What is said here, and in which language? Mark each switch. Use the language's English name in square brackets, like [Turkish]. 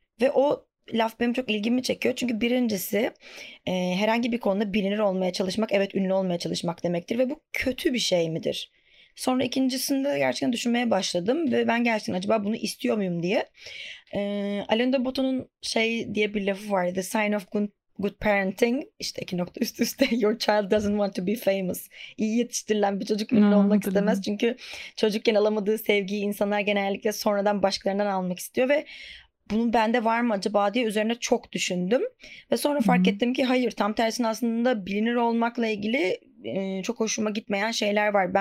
[Turkish] Ve o laf benim çok ilgimi çekiyor. Çünkü birincisi herhangi bir konuda bilinir olmaya çalışmak, evet ünlü olmaya çalışmak demektir ve bu kötü bir şey midir? Sonra ikincisinde gerçekten düşünmeye başladım ve ben gerçekten acaba bunu istiyor muyum diye. Alain de Botton'un şey diye bir lafı var. [English] The sign of good parenting. [Turkish] İşte iki nokta üst üste. [English] Your child doesn't want to be famous. [Turkish] İyi yetiştirilen bir çocuk ünlü olmak istemez. Hatırladım. Çünkü çocukken alamadığı sevgiyi insanlar genellikle sonradan başkalarından almak istiyor ve bunun bende var mı acaba diye üzerine çok düşündüm. Ve sonra fark ettim ki hayır, tam tersine aslında bilinir olmakla ilgili çok hoşuma gitmeyen şeyler var.